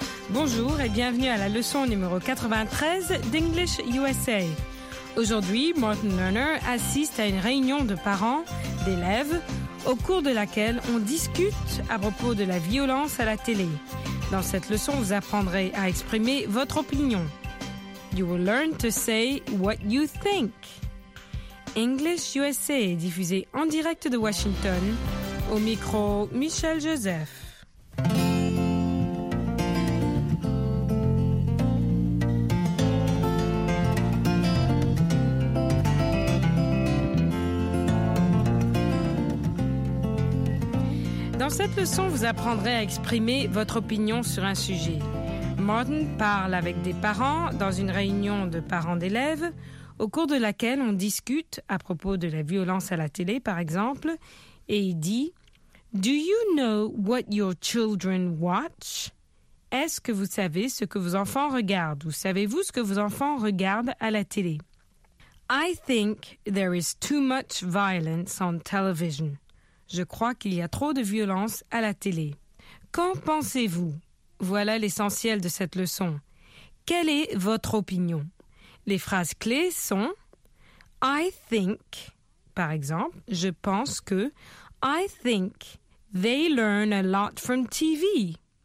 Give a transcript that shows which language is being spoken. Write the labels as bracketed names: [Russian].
[French] Bonjour et bienvenue à la leçon numéro 93 d'English USA. Aujourd'hui, Martin Lerner assiste à une réunion de parents, d'élèves, au cours de laquelle on discute à propos de la violence à la télé. Dans cette leçon, vous apprendrez à exprimer votre opinion. [English] You will learn to say what you think. [French] English USA est diffusé en direct de Washington. Au micro, Michel Joseph. Dans cette leçon, vous apprendrez à exprimer votre opinion sur un sujet. Martin parle avec des parents dans une réunion de parents d'élèves au cours de laquelle on discute à propos de la violence à la télé, par exemple, et il dit... [English] Do you know what your children watch? [French] Est-ce que vous savez ce que vos enfants regardent ou savez-vous ce que vos enfants regardent à la télé? [English] I think there is too much violence on television. [French] Je crois qu'il y a trop de violence à la télé. Qu'en pensez-vous? Voilà l'essentiel de cette leçon. Quelle est votre opinion? Les phrases clés sont [English] I think, par exemple, je pense que I think they learn a lot from TV.